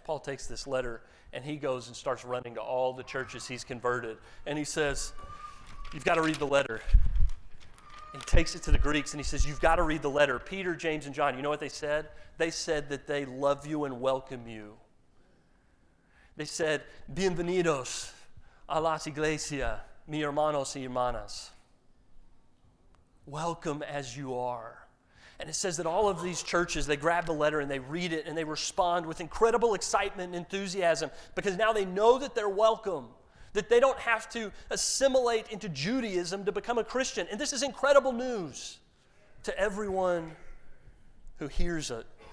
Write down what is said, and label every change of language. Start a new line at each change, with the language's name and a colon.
English: Paul takes this letter, and he goes and starts running to all the churches he's converted. And he says, you've got to read the letter. he takes it to the Greeks and he says, you've got to read the letter. Peter, James, and John, you know what they said? They said that they love you and welcome you. They said,
Spanish: bienvenidos a las iglesias, mi hermanos y hermanas.
English: Welcome as you are. And it says that all of these churches, they grab the letter and they read it and they respond with incredible excitement and enthusiasm because now they know that they're welcome, that they don't have to assimilate into Judaism to become a Christian. And this is incredible news to everyone who hears it.